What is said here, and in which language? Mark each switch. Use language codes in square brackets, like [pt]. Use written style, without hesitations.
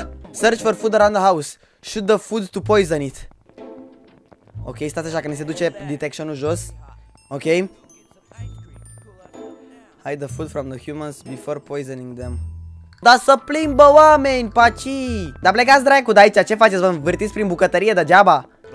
[en] Search for food around the house. Shoot the food to poison it. [ro] Ok, stați așa, că ne se duce detection-ul jos. Ok. [en] Hide the food from the humans before poisoning them. [ro] Dar să plimbă oameni, paci! Dar plecați dracu de aici, ce faceți? Vă învârtiți prin bucătărie degeaba?